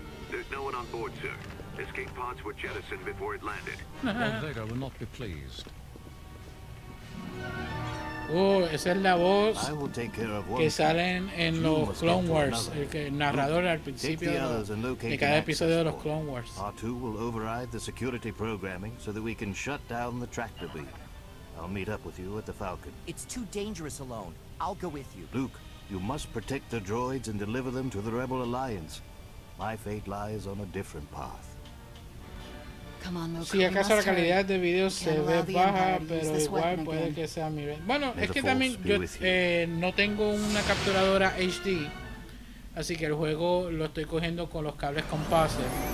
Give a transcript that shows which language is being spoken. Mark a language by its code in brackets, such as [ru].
[en] There's no one on board, sir. Escape pods were jettisoned before it landed. Vega will not be pleased. [es] Oh, esa es la voz que sale en los Clone Wars, el narrador al principio de cada episodio de los Clone Wars. [en] R2 will override the security programming so that we can shut down the tractor beam. I'll meet up with you at the Falcon. It's too dangerous alone. I'll go with you. Luke, you must protect the droids and deliver them to the Rebel Alliance. My fate lies on a different path. Come on, Luke. [es] Sí, acaso la calidad de video se ve baja, pero igual puede que sea mi vez. Bueno, es que también yo no tengo una capturadora HD, así que el juego lo estoy cogiendo con los cables compases.